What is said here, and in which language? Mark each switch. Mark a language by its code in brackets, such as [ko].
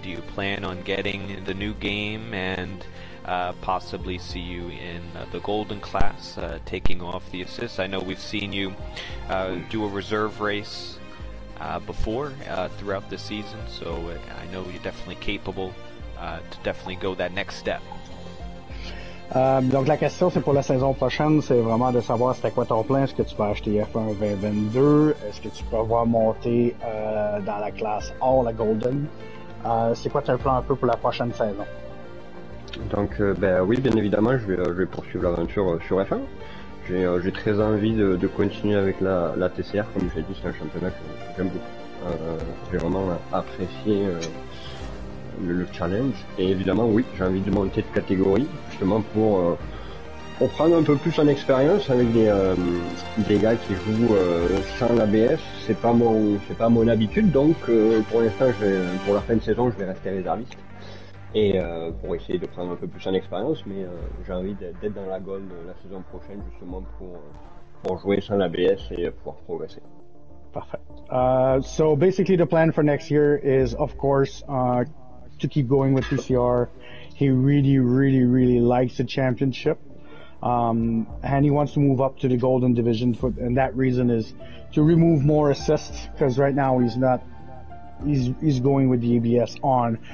[en] Do you plan on getting the new game and possibly see you in the Golden Class, taking off the assist? I know we've seen you do a reserve race before throughout the season, so I know you're definitely capable to definitely go that next step. [fr] Donc la question c'est pour la saison prochaine, c'est vraiment de savoir c'était quoi ton plan, est-ce que tu vas acheter F1 2022, est-ce que tu peux avoir monté dans la classe All la Golden, c'est quoi ton plan un peu pour la prochaine saison? Donc oui, bien évidemment je vais poursuivre l'aventure sur F1. J'ai très envie de continuer avec la TCR, comme j'ai dit, c'est un championnat que j'aime beaucoup. J'ai vraiment apprécié le challenge. Et évidemment, oui, j'ai envie de monter de catégorie, justement pour prendre un peu plus en expérience avec des gars qui jouent sans l'ABS. C'est pas mon habitude, donc pour l'instant, pour la fin de saison, je vais rester réserviste. Et pour essayer de prendre un peu plus en expérience, mais j'ai envie d'être dans la Gold la saison prochaine justement pour jouer sans l'ABS et pouvoir progresser. Parfait. [en] So basically the plan for next year is of course to keep going with TCR, He really, really, really likes the championship. And he wants to move up to the Golden Division for, and that reason is to remove more assists, because right now he's not, he's going with the ABS on.